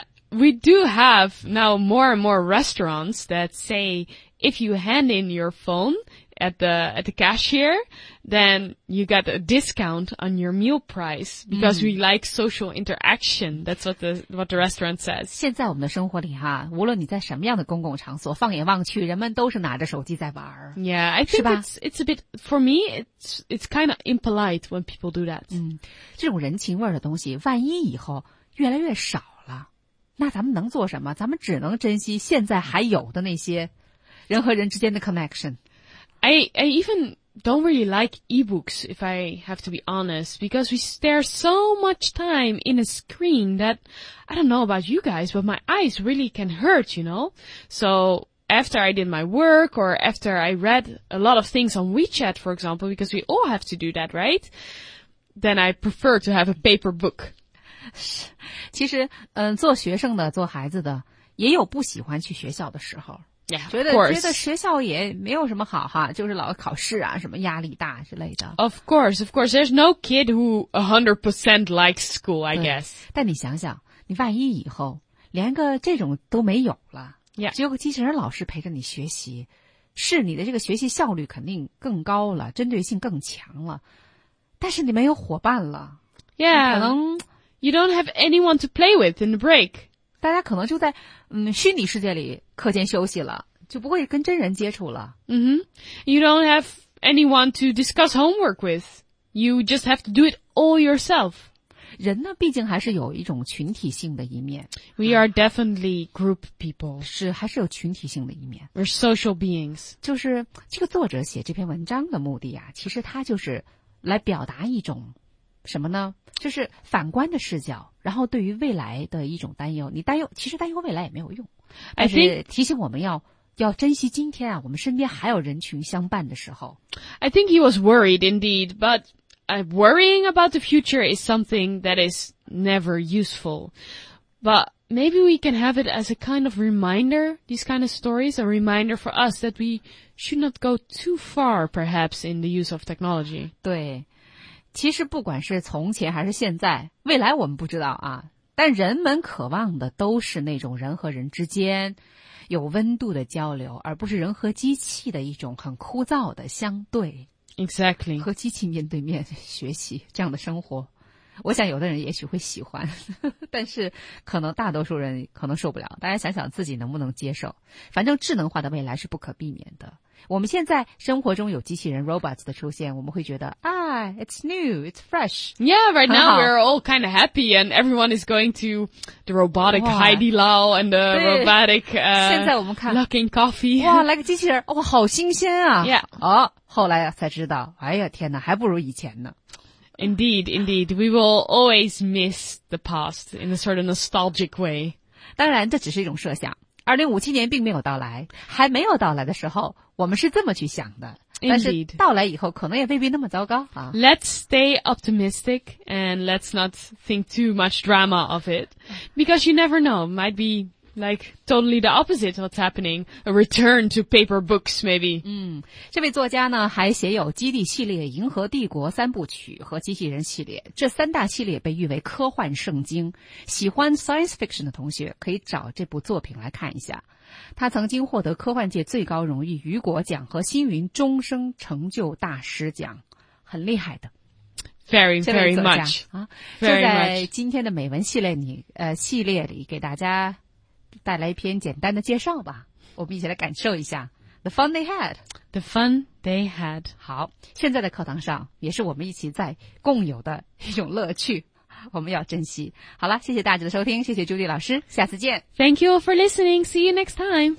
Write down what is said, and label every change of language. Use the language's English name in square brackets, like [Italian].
[English] We do have now more and more restaurants that say if you hand in your phone at the cashier, then you get a discount on your meal price because we like social interaction. That's what the restaurant says. [Chinese] 现在我们的生活里哈，无论你在什么样的公共场所，放眼望去，人们都是拿着手机在玩。 [English] Yeah, I think it's a bit, for me, it's kind of impolite when people do that. [Chinese] 这种人情味的东西，万一以后越来越少了，那咱们能做什么？咱们只能珍惜现在还有的那些人和人之间的 connection。 [English] I even don't really like e-books, if I have to be honest, because we stare so much time in a screen that, I don't know about you guys, but my eyes really can hurt, you know? So, after I did my work, or after I read a lot of things on WeChat, for example, because we all have to do that, right? Then I prefer to have a paper book. [Chinese] 其实，做学生的，做孩子的，也有不喜欢去学校的时候。 [English] Yeah, of course. [Chinese] 觉得学校也没有什么好哈，就是老考试啊，什么压力大之类的。 [English] Of course. There's no kid who 100% likes school, I guess. [Chinese] 但你想想，你万一以后连个这种都没有了 [English] ，Yeah. [Chinese] 只有个机器人老师陪着你学习，是你的这个学习效率肯定更高了，针对性更强了。但是你没有伙伴了 [English] ，Yeah. [Chinese] 可能 [English] You don't have anyone to play with in the break. [Chinese] 大家可能就在虚拟世界里课间休息了，就不会跟真人接触了。 Mm-hmm. [English] You don't have anyone to discuss homework with. You just have to do it all yourself. [Chinese] 人呢，毕竟还是有一种群体性的一面。 [English] We are definitely group people. [Chinese] 是，还是有群体性的一面。 [English] We're social beings. [Chinese] 就是这个作者写这篇文章的目的啊，其实他就是来表达一种什么呢？就是反观的视角，然后对于未来的一种担忧。你担忧，其实担忧未来也没有用，但是提醒我们要珍惜今天啊，我们身边还有人群相伴的时候。 [English] I think he was worried indeed, but worrying about the future is something that is never useful. But maybe we can have it as a kind of reminder, these kind of stories, a reminder for us that we should not go too far, perhaps, in the use of technology. [Chinese] 对。其实不管是从前还是现在，未来我们不知道啊，但人们渴望的都是那种人和人之间有温度的交流，而不是人和机器的一种很枯燥的相对。 [English] Exactly. [Chinese] 和机器面对面学习这样的生活，我想有的人也许会喜欢，但是可能大多数人可能受不了，大家想想自己能不能接受。反正智能化的未来是不可避免的。我们现在生活中有机器人 robots 的出现，我们会觉得啊 ， [English] it's new, it's fresh. Yeah, right now we're all kind of happy, and everyone is going to the robotic Heidi Lau and the robotic Luckin Coffee. [Chinese] 哇，来个机器人，哇，好新鲜啊 [English] ！Yeah. [Chinese] 哦，后来才知道，哎呀，天哪，还不如以前呢。 [English] Indeed. We will always miss the past in a certain nostalgic way. [Chinese] 当然，这只是一种设想。 2057年并没有到来，还没有到来的时候，我们是这么去想的。 Indeed. 但是到来以后，可能也未必那么糟糕啊。 [English] Let's stay optimistic and let's not think too much drama of it, because you never know. Might be like totally the opposite of what's happening. A return to paper books, maybe. [Chinese] 嗯，这位作家呢，还写有《基地》系列、《银河帝国》三部曲和《机器人》系列，这三大系列被誉为科幻圣经。喜欢 science fiction 的同学可以找这部作品来看一下。他曾经获得科幻界最高荣誉雨果奖和星云终生成就大师奖，很厉害的。 [English] Very, very much. [Chinese] 就在今天的美文系列里，系列里给大家带来一篇简单的介绍吧。我们一起来感受一下 [English] The fun they had. The fun they had. [Chinese] 好，现在的课堂上也是我们一起在共有的一种乐趣，我们要珍惜。好了，谢谢大家的收听，谢谢朱莉老师，下次见。 [English] Thank you for listening. See you next time.